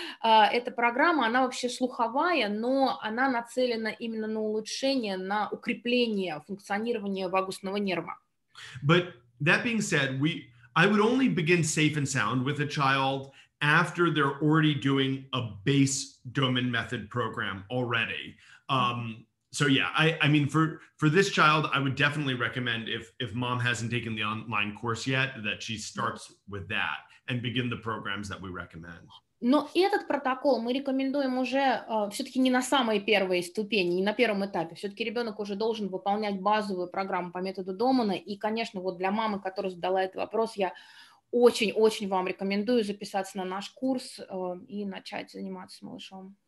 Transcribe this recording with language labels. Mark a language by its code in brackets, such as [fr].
[ru] Эта программа, она вообще слуховая, но она нацелена именно на улучшение, на укрепление функционирования вагусного нерва. [en] But that being said, I would only begin Safe and Sound with a child after they're already doing a base domain method program already. So for this child, I would definitely recommend if mom hasn't taken the online course yet, that she starts with that and begin the programs that we recommend. [ru] Но этот протокол мы рекомендуем уже все-таки не на самой первой ступени, не на первом этапе. Все-таки ребенок уже должен выполнять базовую программу по методу Домана. И, конечно, вот для мамы, которая задала этот вопрос, я очень-очень вам рекомендую записаться на наш курс и начать заниматься с малышом.